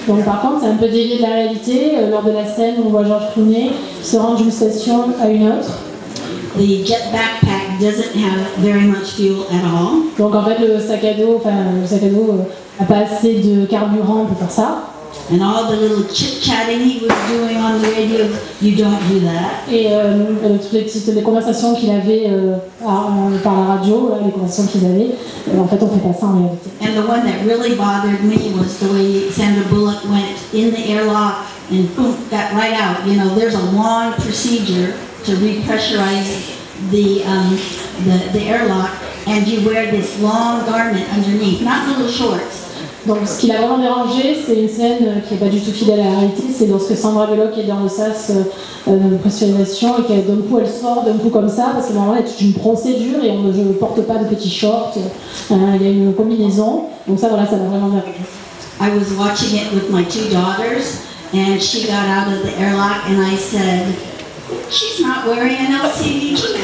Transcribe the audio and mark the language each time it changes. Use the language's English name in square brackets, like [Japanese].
[French] Donc par contre, c'est un peu dévié de la réalité lors de la scène où on voit George Clooney se rendre d'une station à une autre. [English] The jet backpack doesn't have very much fuel at all. [French] Donc en fait, le sac à dos a pas assez de carburant pour faire ça. [English] And all the little chit-chatting he was doing on the radio, you don't do that. [French] Et toutes les conversations qu'il avait par la radio, là, les conversations qu'ils avaient, en fait, on fait pas ça en réalité. [English] And the one that really bothered me was the way Sandra Bullock went in the airlock and boom, got right out. You know, there's a long procedure to repressurize the airlock, and you wear this long garment underneath, not little shorts. [French] Donc ce qui l'a vraiment dérangé, c'est une scène qui n'est pas du tout fidèle à la réalité, c'est lorsque Sandra Bullock est dans le sas de pressurisation et qu'elle d'un coup elle sort d'un coup comme ça, parce que normalement elle est une procédure et on ne porte pas de petits shorts, il y a une combinaison, donc ça voilà, ça l'a vraiment dérangé. [English] I was watching it with my two daughters and she got out of the airlock and I said, she's not wearing an LCG.